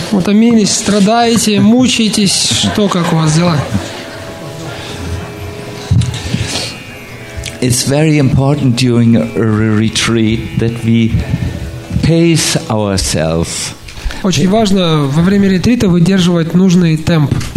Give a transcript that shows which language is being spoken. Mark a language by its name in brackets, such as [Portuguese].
[Russian] Утомились, страдаете, мучаетесь. Что, как у вас дела? [English] It's very important during a retreat that we pace ourselves. [Russian] Очень важно во время ретрита выдерживать нужный темп.